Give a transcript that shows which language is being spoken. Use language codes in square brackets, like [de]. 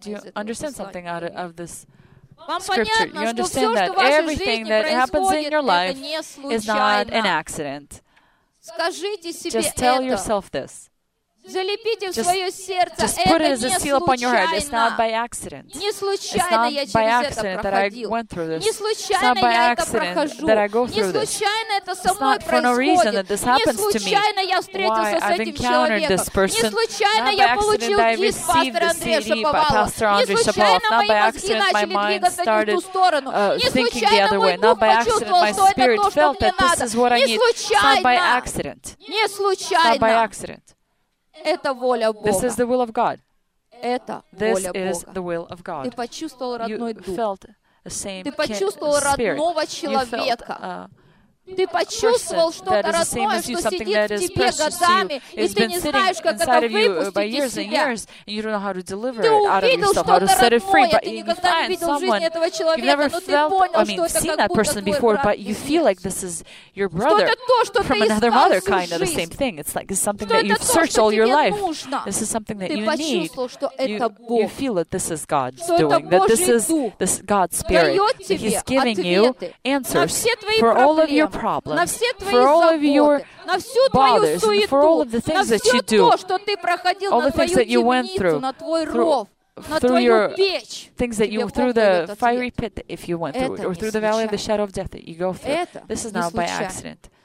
[en] Do you understand something out of this [ru] вам [en] scripture? [ru] Понятно, [en] you understand [ru] что все, [en] that everything that happens in your life is not an accident. [ru] Скажите себе это. [en] Just tell yourself this. [ru] Залепите в свое сердце. [en] Just put it as a seal upon your head. It's not by accident. [ru] Не случайно я через это проходил. Не случайно я это прохожу. Не случайно это со мной происходит. Не случайно я встретился с этим человеком. Не случайно я получил диск пастора Андрея Шаповалова. Не случайно мои мозги начали двигаться в ту сторону. Не случайно мой дух почувствовал, что это то, что мне надо. Не случайно. Не случайно. Это воля Бога. [en] This is the will of God. [ru] Это [en] this [ru] воля [en] is [ru] Бога. [en] The will of God. [ru] Ты почувствовал родной дух. [en] You felt the same [ru] ты почувствовал родного человека. Ты почувствовал что-то родное, что сидит в тебе годами, и ты не знаешь, как это выпустить из себя. Ты увидел что-то родное, ты никогда не видел в жизни этого человека, но ты понял, что это как будто твой брат. [en] You feel like this is your brother from another mother, kind of the same thing. It's like something that you've searched all your life. This is something that you need. You feel that this is God's doing, that this is this God's spirit. He's giving you answers for all of your problems, for all of your bothers, and for all of the things that you do, all the things that you went through, through your things that you, through the fiery pit that if you went through it, or through the valley of the shadow of death that you go through, this is not by accident.